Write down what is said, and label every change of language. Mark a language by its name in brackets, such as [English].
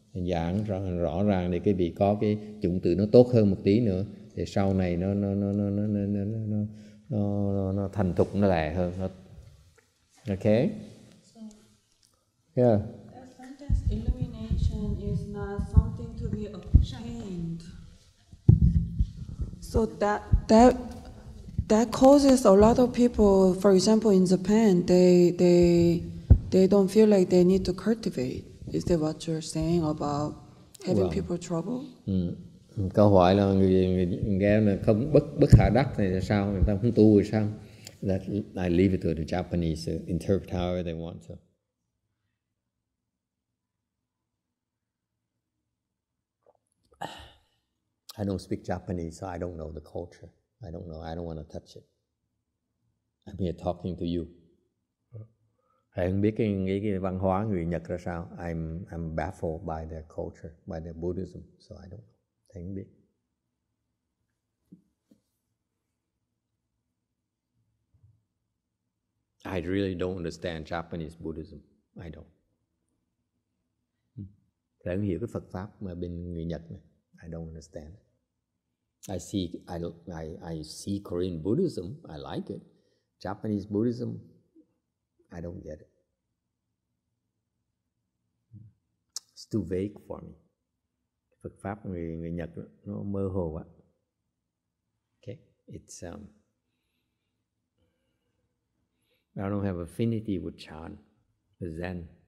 [Vietnamese] Giảng rõ ràng để quý vị có cái chủng tử nó tốt hơn một tí nữa để sau này nó thành thục nó lẹ hơn. [English] Okay? Yeah. Sometimes illumination is not something to be ashamed. So that causes a lot of people, for example, in Japan, they don't feel like they need to cultivate. Is that what you're saying about having people trouble? [Vietnamese] Câu hỏi là người là không bất khả đắc thì sao? Người ta không tu thì sao? [English] That I leave it to the Japanese to interpret however they want to. I don't speak Japanese, so I don't know the culture. I don't know. I don't want to touch it. I'm here talking to you. I don't know the culture of the Japanese. I'm baffled by their culture, by their Buddhism. So I don't know. I don't know. I really don't understand Japanese Buddhism. I don't. I don't understand the Phật pháp of the Japanese. I don't understand it. I see Korean Buddhism, I like it. Japanese Buddhism, I don't get it. It's too vague for me. [Vietnamese] Phật pháp người Nhật nó mơ hồ quá. [English] Okay, it's I don't have affinity with Chan, the Zen.